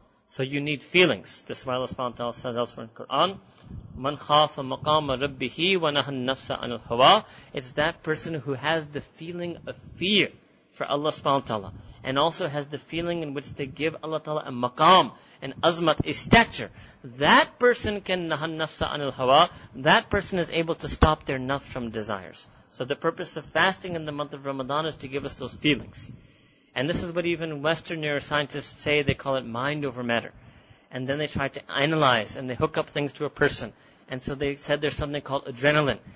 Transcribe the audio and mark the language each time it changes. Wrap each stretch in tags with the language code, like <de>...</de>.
<en>So you need feelings. This is why Allah subhanahu wa ta'ala says elsewhere in the Quran,</en> <ar>مَنْ خَافَ مَقَامَ رَبِّهِ وَنَهَ النَّفْسَ عَنِ الْهَوَىٰ.</ar> <en>It's that person who has the feeling of fear for Allah subhanahu wa ta'ala, and also has the feeling in which they give Allah ta'ala a maqam, an azmat, a stature. That person can</en> <ar>نَهَ النَّفْسَ عَنِ الْهَوَىٰ.</ar> <en>That person is able to stop their nafs from desires. So the purpose of fasting in the month of Ramadan is to give us those feelings. And this is what even Western neuroscientists say. They call it mind over matter. And then they try to analyze and they hook up things to a person. And so they said there's something called adrenaline.</en>